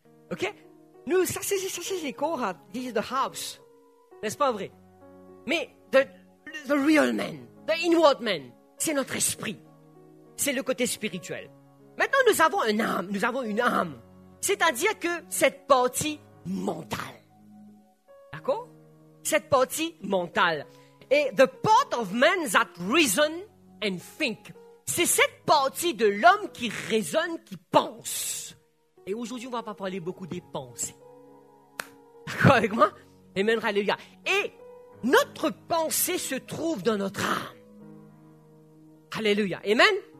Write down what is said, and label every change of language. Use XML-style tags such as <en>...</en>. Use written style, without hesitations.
<fr>OK? Nous, ça c'est les corps,</fr> <en>this is the house.</en> <fr>N'est-ce pas vrai?</fr> <en>Mais the real man, the inward man,</en> <fr>c'est notre esprit. C'est le côté spirituel. Maintenant, nous avons une âme. Nous avons une âme. C'est-à-dire que cette partie mentale. D'accord? Cette partie mentale.</fr> <en>Et the part of man that reason and think.</en> <fr>C'est cette partie de l'homme qui raisonne, qui pense. Et aujourd'hui, on ne va pas parler beaucoup des pensées. D'accord avec moi? Amen, alléluia. Et notre pensée se trouve dans notre âme. Alléluia. Amen.</fr>